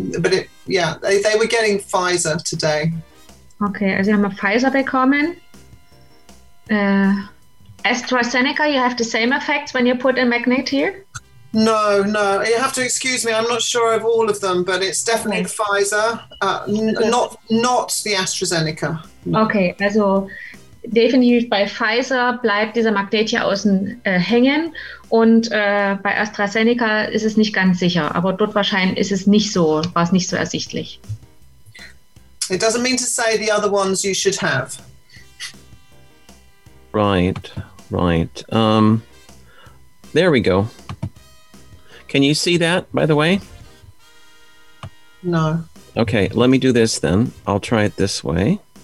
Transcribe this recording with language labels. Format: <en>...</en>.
<en>But they were getting Pfizer today.</en> <de>Okay, also haben wir Pfizer bekommen.</de> <en>AstraZeneca, you have the same effects when you put a magnet here? No. You have to excuse me. I'm not sure of all of them, but it's definitely okay. Pfizer, not the AstraZeneca. No.</en> <de>Okay, also definitiv bei Pfizer bleibt dieser Magnet hier außen hängen und bei AstraZeneca ist es nicht ganz sicher, aber dort wahrscheinlich ist es nicht so, war es nicht so ersichtlich.</de> <en>It doesn't mean to say the other ones you should have. Right. There we go. Can you see that, by the way? No. Okay, let me do this then. I'll try it this way.</en>